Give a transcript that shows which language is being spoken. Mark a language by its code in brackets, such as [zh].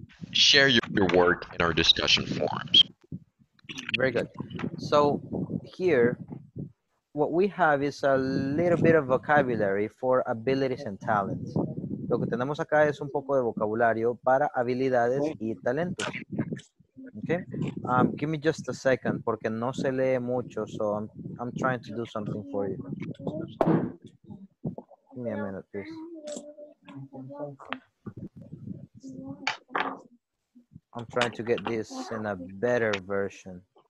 [en] Share your work in our discussion forums. Very good. So here, what we have is a little bit of vocabulary for abilities and talents. [es] Lo que tenemos acá es un poco de vocabulario para habilidades y talentos. [en] Okay. Give me just a second, [es] porque no se lee mucho, [en] so I'm trying to do something for you. Give me a minute, please. I'm trying to get this in a better version.